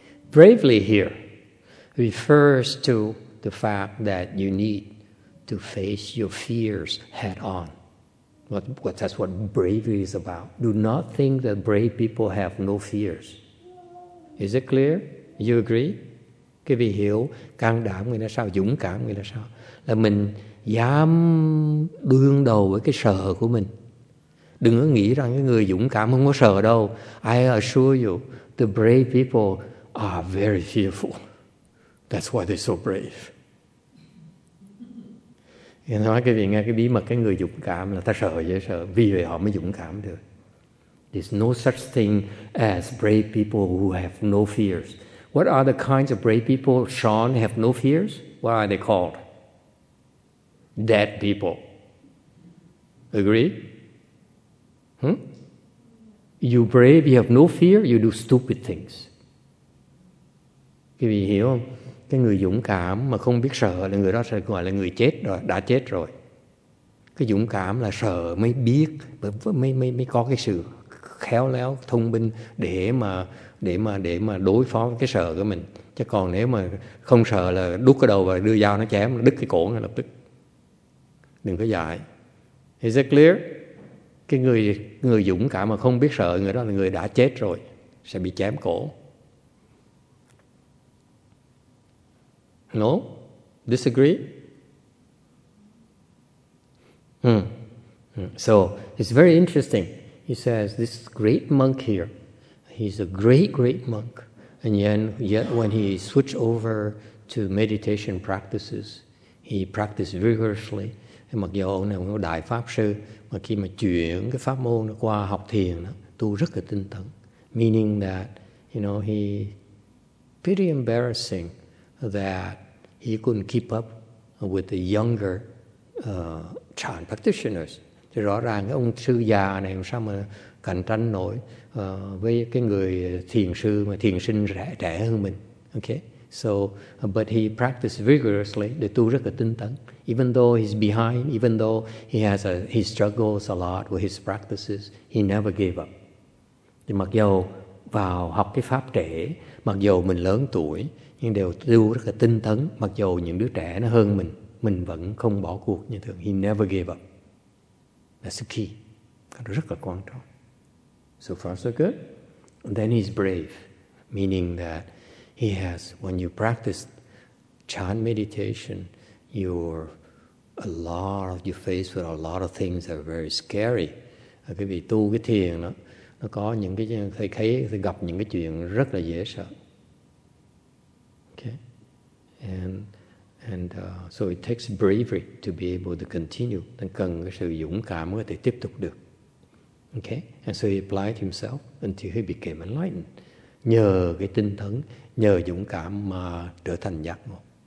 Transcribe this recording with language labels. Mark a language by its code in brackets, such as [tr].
[en] Bravely here refers to the fact that you need to face your fears head on. That's what bravery is about. Do not think that brave people have no fears. Is it clear? You agree? [vi] Cái vì hiểu can đảm người là sao, dũng cảm người là sao. Là mình dám đương đầu với cái sợ của mình. Đừng có nghĩ rằng cái người dũng cảm không có sợ đâu. [en] I assure you, the brave people are very fearful. That's why they're so brave. [vi] Nghe nói cái vị nghe cái bí mật cái người dũng cảm là ta sợ dễ sợ, vì vậy họ mới dũng cảm được. [en] There's no such thing as brave people who have no fears. What are the kinds of brave people, Sean, have no fears? What are they called? Dead people. Agree? You brave, you have no fear, you do stupid things. [vi] Các vị hiểu không? Cái người dũng cảm mà không biết sợ là người đó sẽ gọi là người chết rồi, đã chết rồi. Cái dũng cảm là sợ mới biết, mới có cái sự khéo léo, thông minh để mà đối phó với cái sợ của mình. Chứ còn nếu mà không sợ là đút cái đầu và đưa dao nó chém, đứt cái cổ ngay lập tức. Đừng có dại. [en] Is it clear? [vi] Cái người dũng cảm mà không biết sợ, người đó là người đã chết rồi, sẽ bị chém cổ. [en] No? Disagree? So, it's very interesting. He says, this great monk here, he's a great, great monk. And yet when he switched over to meditation practices, he practiced vigorously. [vi] Nhưng mặc dù ông này cũng là đại pháp sư, mà khi mà chuyển cái pháp môn nó qua học thiền, tu rất là tinh tấn. [en] Meaning that, you know, he pretty embarrassing that he couldn't keep up with the younger chan practitioners. [vi] Thì rõ ràng cái ông sư già này làm sao mà cạnh tranh nổi với cái người thiền sư mà thiền sinh rẻ trẻ hơn mình. [en] Okay. So, but he practiced vigorously, [vi] để tu rất là tinh tấn. [en] Even though he's behind, even though he has a, he struggles a lot with his practices, he never gave up. [vi] Thì mặc dù vào học cái pháp trẻ, mặc dù mình lớn tuổi, nhưng đều tu rất là tinh tấn, mặc dù những đứa trẻ nó hơn mình vẫn không bỏ cuộc như thường. [en] He never gave up. That's the key. [vi] Cái đó rất là quan trọng. [en] So far so good. And then he's brave, meaning that he has, when you practice chan meditation, you're a lot of, you're faced with a lot of things that are very scary. [vi] Cái vị tu cái thiền đó, nó có những cái thầy thấy thầy gặp những cái chuyện rất là dễ sợ. [en] Okay. And so it takes bravery to be able to continue. [vi] Nên cần cái sự dũng cảm mới có thể tiếp tục được. [en] Okay. And so he applied himself until he became enlightened. [vi] Nhờ cái tinh thần, nhờ dũng cảm mà trở thành giác ngộ.